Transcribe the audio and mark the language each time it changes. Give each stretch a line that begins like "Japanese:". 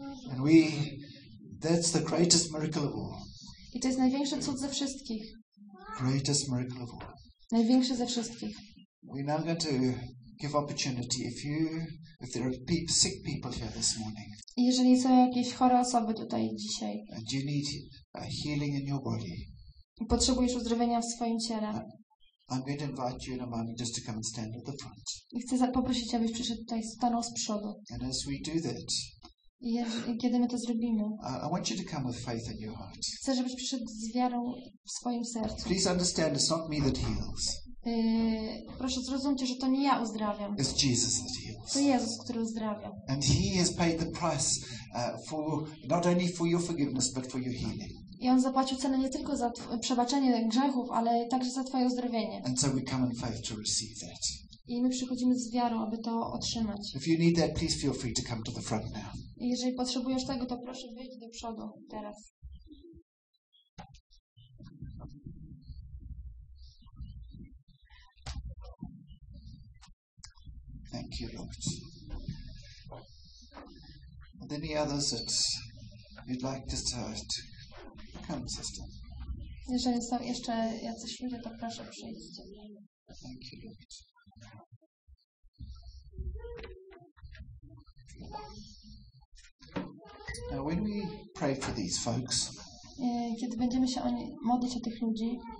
English: And we—that's the greatest miracle of all.
Polish: I to jest największy cud ze wszystkich.
English: Greatest miracle of all.
Polish: Największy ze wszystkich.
English: We're now going to give opportunity if there are sick people here this morning.
Polish: Jeżeli są jakieś chore osoby tutaj dzisiaj.
English: And you need a healing in your body.
Polish: Potrzebujesz uzdrowienia w swoim ciele.
English: I'm going to invite you in a moment just to come and stand at the front.
Polish: I chcę poprosić, abyś przyszedł tutaj, stanął z przodu.
English: And as we do that,
Polish: kiedy my to zrobimy,
English: I want you to come with faith in your heart.
Polish: Chcę, żebyś przyszedł z wiarą w swoim sercu.
English: Please understand, it's not me that heals.
Polish: Proszę zrozumcie, że to nie ja uzdrawiam.
English: It's Jesus that heals.
Polish: To Jezus, który uzdrawia.
English: And He has paid the price for not only for your forgiveness, but for your healing.
Polish: I On zapłacił cenę nie tylko za przebaczenie grzechów, ale także za Twoje uzdrowienie.
English: And so we come in faith to receive that.
Polish: I my przychodzimy z wiarą, aby to otrzymać.
English: If you need that, please feel free to come to the front now.
Polish: I jeżeli potrzebujesz tego, to proszę wyjść do przodu teraz.
English: Thank you, Lord. Are there any others that you'd like to start? Come, sister.
Polish: Jeżeli są jeszcze jacyś ludzie, to proszę przyjść.
English: Thank you, Lord. Now, when we pray for these folks,
Polish: kiedy będziemy się modlić o tych ludzi,